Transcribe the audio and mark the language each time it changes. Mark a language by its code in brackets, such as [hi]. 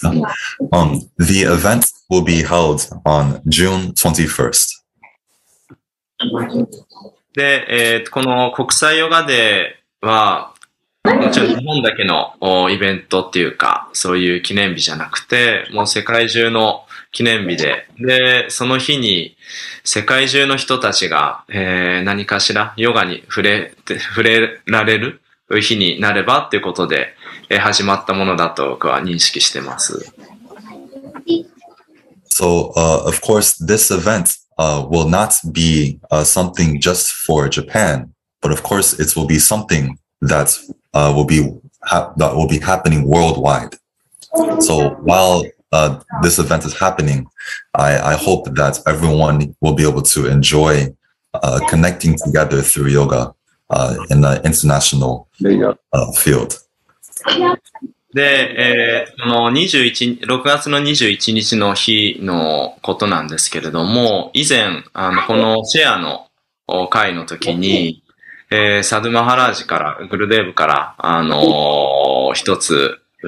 [en] The event will be held on June 21st. [ja] で、この国際ヨガデーはもちろん日本だけのイベントっていうか、そういう記念日じゃなくて、もう世界中の記念日で、で、その日に世界中の人たちが、何かしらヨガに触れられる日になればっていうことで、始まったものだと僕は認識してます。 [en] So, of course, this event, will not be, something just for Japan, but of course, it will be something that'sWill be happening worldwide. So while, this event is happening, I hope that everyone will be able to enjoy, connecting together through yoga, in the international, field. [ja] で、この6月の21日の日のことなんですけれども、以前、このシェアの会の時に、サドゥマハラージから、グルデーブから、一つ、